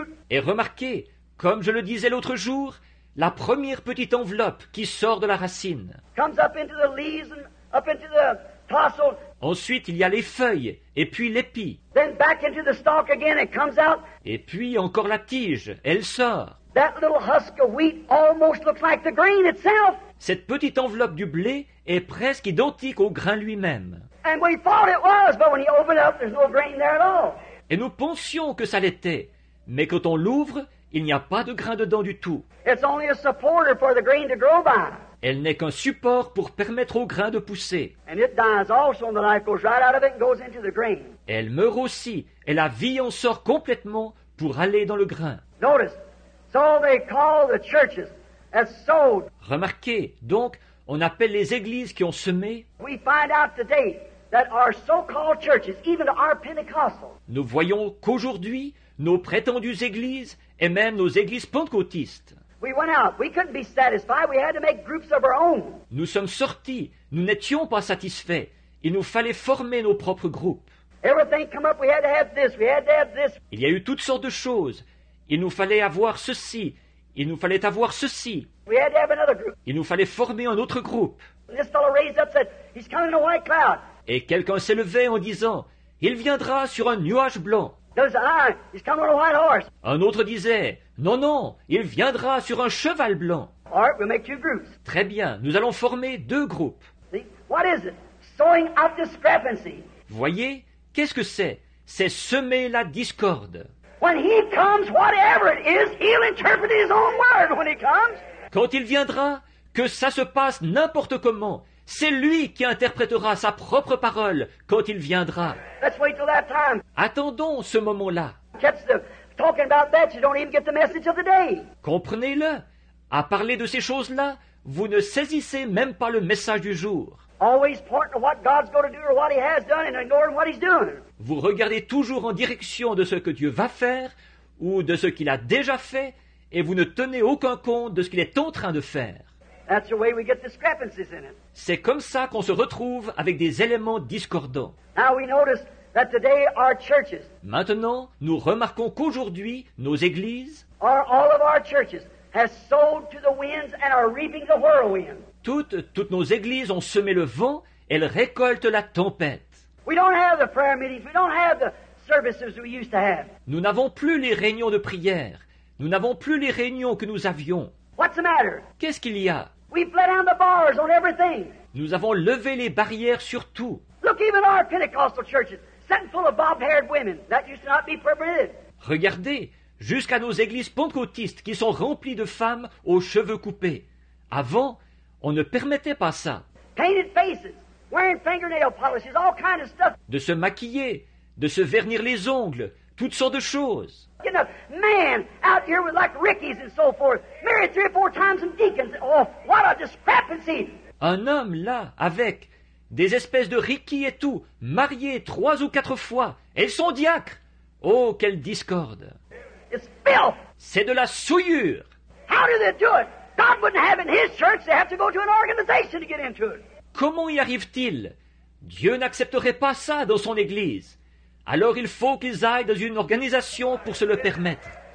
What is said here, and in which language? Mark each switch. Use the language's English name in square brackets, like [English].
[French] Et remarquez, comme je le disais l'autre jour, la première petite enveloppe qui sort de la racine. [English] Comes up into the leaves and up into the tassel. [French] Ensuite, il y a les feuilles et puis l'épi. [English] Then back into the stalk again, it comes out. [French] Et puis encore la tige, elle sort. [English] That little husk of wheat almost looks like the grain itself. [French] Cette petite enveloppe du blé est presque identique au grain lui-même. [English] And we thought it was, but when you open it up, there's no grain there at all. [French] Et nous pensions que ça l'était, mais quand on l'ouvre, il n'y a pas de grain dedans du tout. [English] It's only a supporter for the grain to grow by. [French] Elle n'est qu'un support pour permettre au grain de pousser. [English] And it dies also, and the life goes right out of it and goes into the grain. [French] Elle meurt aussi, et la vie en sort complètement pour aller dans le grain. [English] Notice. So they call the churches as sowed. [French] Remarquez, donc, on appelle les églises qui ont semé. [English] We find out today that our so-called churches, even our Pentecostals. [French] Nous voyons qu'aujourd'hui, nos prétendues églises et même nos églises pentecôtistes. [English] We went out. We couldn't be satisfied. We had to make groups of our own. [French] Nous sommes sortis. Nous n'étions pas satisfaits. Il nous fallait former nos propres groupes. [English] Everything come up. We had to have this. We had to have this. [French] Il y a eu toutes sortes de choses. Il nous fallait avoir ceci. Il nous fallait avoir ceci. [English] We had to have another group. [French] Il nous fallait former un autre groupe. [English] This fellow raised up, said, he's coming in a white cloud. [French] Et quelqu'un s'est levé en disant, il viendra sur un nuage blanc. [English] Does, he's coming on a white horse. [French] Un autre disait, non, non, il viendra sur un cheval blanc. [English] All right, we'll make two groups. [French] Très bien, nous allons former deux groupes. [English] See, what is it? Sowing out discrepancy. [French] Voyez, qu'est-ce que c'est? C'est semer la discorde. [English] When he comes, whatever it is, he'll interpret his own word when he comes. [French] Quand il viendra, que ça se passe n'importe comment, c'est lui qui interprétera sa propre parole quand il viendra. [English] Let's wait till that time. [French] Attendons ce moment-là. [English] Talking about that, you don't even get the message of the day. [French] Comprenez-le. À parler de ces choses-là, vous ne saisissez même pas le message du jour. [English] Always pointing to what God's going to do or what he has done and ignoring what he's doing. [French] Vous regardez toujours en direction de ce que Dieu va faire ou de ce qu'il a déjà fait et vous ne tenez aucun compte de ce qu'il est en train de faire. [English] That's the way we get discrepancies in it. [French] C'est comme ça qu'on se retrouve avec des éléments discordants. [English] Now we notice that today our churches. [French] Maintenant, nous remarquons qu'aujourd'hui, nos églises [English] are all of our churches. has sowed to the winds and are reaping the whirlwind. [French] Toutes nos églises ont semé le vent, elles récoltent la tempête. [English] We don't have the prayer meetings, we don't have the services we used to have. [French] Nous n'avons plus les réunions de prière. Nous n'avons plus les réunions que nous avions. [English] What's the matter? [French] Qu'est-ce qu'il y a? [English] We've let down the bars on everything. [French] Nous avons levé les barrières sur tout. [English] Look even our Pentecostal churches, sitting full of bob-haired women, that used to not be permitted. [French] Regardez, jusqu'à nos églises pentecôtistes qui sont remplies de femmes aux cheveux coupés. Avant, on ne permettait pas ça. [English] Painted faces, wearing fingernail polishes, all kinds of stuff. [French] De se maquiller, de se vernir les ongles, toutes sortes de choses. [English] You know, man out here with like Rickies and so forth, married three or four times some deacons. Oh, what a discrepancy! [French] Un homme là, avec des espèces de Rickies et tout, marié trois ou quatre fois, elles sont diacres. Oh, quelle discorde! [English] It's filth. [French] C'est de la souillure. [English] How do they do it? God wouldn't have in His church. They have to go to an organization to get into it. [French] Comment y arrive-t-il? Dieu n'accepterait pas ça dans son église. Alors il faut qu'ils aillent dans une organisation pour se le permettre.